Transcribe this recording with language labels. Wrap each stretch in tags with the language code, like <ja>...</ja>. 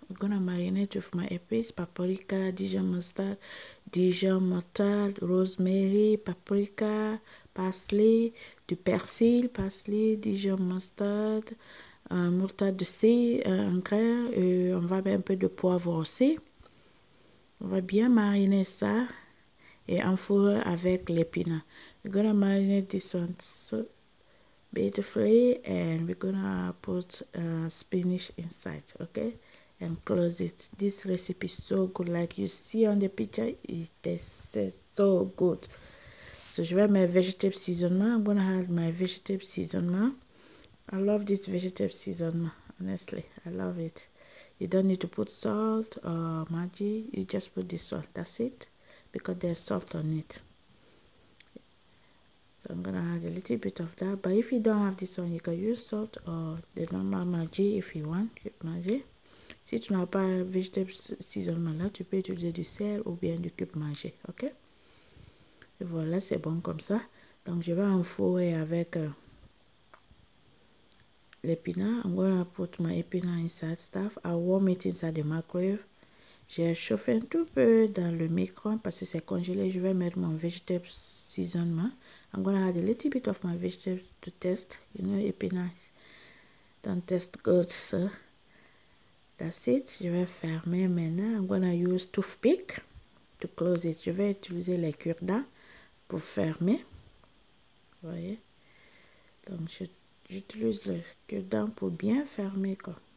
<en>We're gonna marinate with my épices, paprika, Dijon mustard, Dijon mustard, rosemary, paprika, parsley,</en> <fr>du persil,</fr> <en>parsley, Dijon mustard, moutarde seed,</en> <fr>un grain, et on va mettre un peu de poivre aussi. On va bien mariner ça et enfourer avec l'épinard.</fr> <en>We're gonna marinate this one so beautifully and we're gonna put spinach inside, okay? And close it. This recipe is so good. Like you see on the picture, it is so good. So,</en> <fr>je vais mettre</fr> <en>vegetable seasonement. I'm gonna add my vegetable seasonement. I love this vegetable seasonment, honestly. I love it. You don't need to put salt or maggi. You just put this one. That's it. Because there's salt on it. So I'm gonna add a little bit of that. But if you don't have this one, you can use salt or the normal maggi if you want. Maggi.</en> <fr>Si tu n'as pas vegetable seasonement là, tu peux utiliser du sel ou bien du cube maggi. Ok? Et voilà, c'est bon comme ça. Donc je vais enfourner avec l'épinard.</fr> <en>I'm gonna put my épinard inside stuff. I warm it inside the microwave.</en> <fr>J'ai chauffé un tout peu dans le micro-ondes parce que c'est congelé. Je vais mettre mon</fr> <en>vegetable seasonement. I'm gonna add a little bit of my vegetable to test. You know, épinards don't taste good, so that's it.</en> <fr>Je vais fermer maintenant.</fr> <en>I'm gonna use toothpick to close it.</en> <fr>Je vais utiliser les cure-dents pour fermer. Vous voyez? Donc, j'utilise le cure-dent pour bien fermer quoi.</fr>